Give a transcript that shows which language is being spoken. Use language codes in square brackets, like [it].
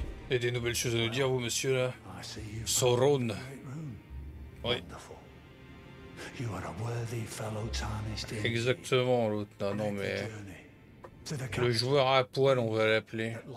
[fr] Et des nouvelles choses à nous dire, vous, monsieur, là? Sauron. Oui. [en] You are a worthy fellow tarnished. [fr] Exactement, l'autre. Non, non, mais... Le joueur à poil, on va l'appeler.